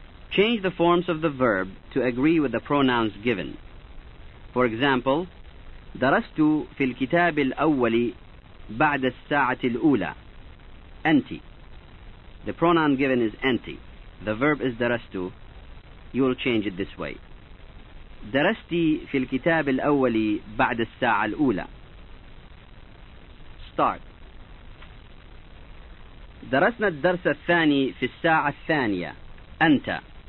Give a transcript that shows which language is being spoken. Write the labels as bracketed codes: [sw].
[en] Change the forms of the verb to agree with the pronouns given. For example, [ar] درست في الكتاب الأول بعد الساعة الأولى. أنت. [en] The pronoun given is أنت. The verb is درست. You will change it this way. [ar] درست في الكتاب الأول بعد الساعة الأولى. [en] Start. [ar] درسنا الدرس الثاني في الساعة الثانية. أنت.